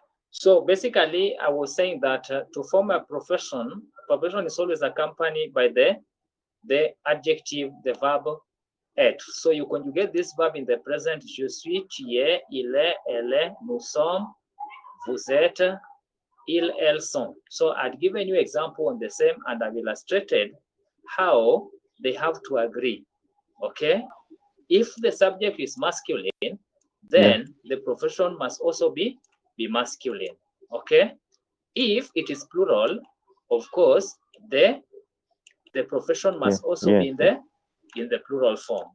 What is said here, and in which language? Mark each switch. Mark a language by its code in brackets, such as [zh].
[en] So basically, I was saying that to form a profession, profession is always accompanied by the adjective, the verb, et. So you conjugate this verb in the present. [fr] Je suis, tu es, il est, elle est, nous sommes, vous êtes, ils, elles sont. [en] So I've given you example on the same, and I've illustrated how they have to agree. Okay? If the subject is masculine, then the profession must also be masculine. Okay? If it is plural, of course, the profession must also be in the plural form.